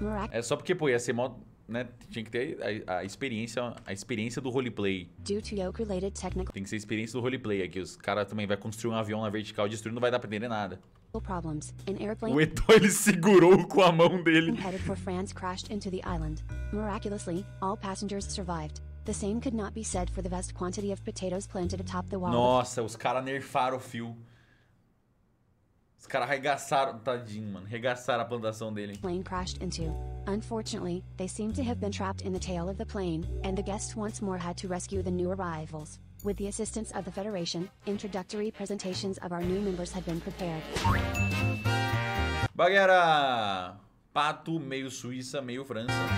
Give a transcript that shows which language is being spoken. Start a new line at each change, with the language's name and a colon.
Portuguese: É só porque, pô, ia ser mó, né? Tinha que ter a experiência do roleplay.
English: Due to yoke-related technical...
Portuguese: Tem que ser a experiência do roleplay aqui. Os caras também vão construir um avião na vertical, destruindo, não vai dar pra entender nada.
English: Problems. An airplane...
Portuguese: O Eto'o, ele segurou com a mão dele.
English: Headed for France crashed into the island. Miraculously, all passengers survived. The same could not be said for the vast quantity of potatoes planted atop the wall.
Portuguese: Nossa, os caras nerfaram o fio. Os caras arregaçaram, tadinho, mano, arregaçaram a plantação dele.
English: Plane crashed into. Unfortunately, they seem to have been trapped in the tail of the plane, and the guests once more had to rescue the new arrivals. With the assistance of the Federation, introductory presentations of our new members had been prepared.
Portuguese: Baguera! Pato, meio Suíça, meio França.